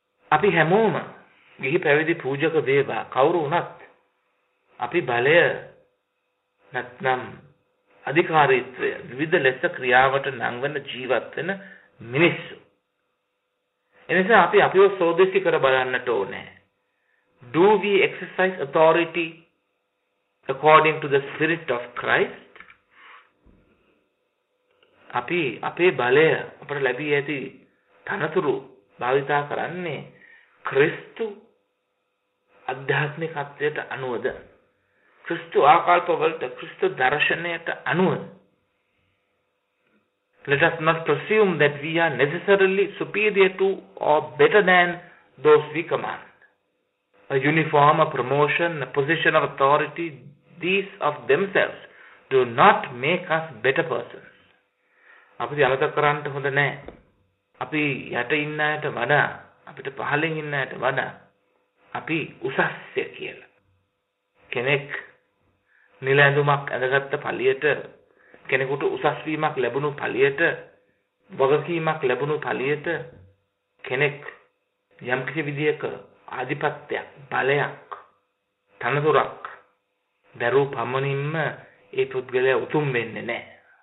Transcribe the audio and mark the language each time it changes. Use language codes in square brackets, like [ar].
[si] අපි හැමෝම ගිහි පැවිදි පූජක වේවා කවුරු වුණත් අපි බලය නැත්නම් අධිකාරීත්වය විවිධ ලෙස ක්‍රියාවට නංවන ජීවත් වෙන මිනිස්සු. එනිසා අපි අපිව සෝදිසි කර බලන්නට ඕනේ. [en] Do we exercise authority according to the spirit of Christ? [si] අපි අපේ බලය අපට ලැබී ඇති තනතුරු භාවිතා කරන්නේ ක්‍රිස්තු අධ්‍යාත්මිකත්වයට අනුවද? ක්‍රිස්තු ආකල්පවලට, ක්‍රිස්තු දර්ශනයට අනුව. [en] Let us not presume that we are necessarily superior to or better than those we command. A uniform, a promotion, a position of authority, these of themselves do not make us better persons. [si] අපි අමතක කරන්න හොඳ නැහැ. අපි යට ඉන්න අයට වඩා, අපිට පහළින් ඉන්න අයට වඩා අපි උසස්ය කියලා. කෙනෙක් නිල ඇඳුමක් ඇඳගත්ත පළියට, කෙනෙකුට උසස් වීමක් ලැබුණු පළියට, වගකීමක් ලැබුණු පළියට කෙනෙක් යම්කිසි විදියක ආධිපත්‍යයක්, බලයක්, තනතුරක් දැරූ පමණින්ම ඒ පුද්ගලයා උතුම් වෙන්නේ නැහැ.